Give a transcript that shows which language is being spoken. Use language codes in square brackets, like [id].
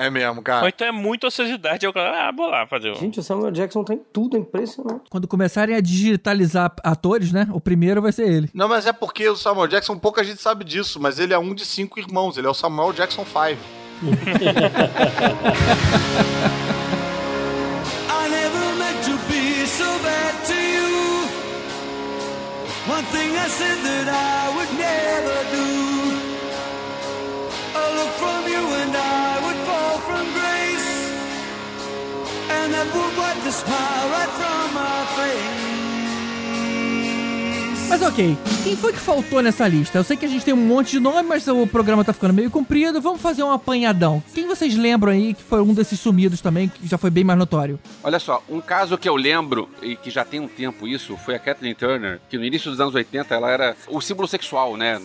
[pt] É mesmo, cara. Ou então é muita ociosidade. Eu falo, vou lá fazer. Gente, o Samuel Jackson tá em tudo, é impressionante. Quando começarem a digitalizar a atores, né? O primeiro vai ser ele. Não, mas é porque o Samuel Jackson, pouca gente sabe disso, mas ele é um de 5 irmãos, ele é o Samuel Jackson 5. [en] I never meant to be so bad to you. One thing I said that I would never do. A look from you and I would fall from grace. And that would wipe the smile right from my face. [pt] Mas ok, quem foi que faltou nessa lista? Eu sei que a gente tem um monte de nome, mas o programa tá ficando meio comprido. Vamos fazer um apanhadão. Quem vocês lembram aí que foi um desses sumidos também, que já foi bem mais notório? Olha só, um caso que eu lembro, e que já tem um tempo isso, foi a Kathleen Turner, que no início dos anos 80 ela era o símbolo sexual, né?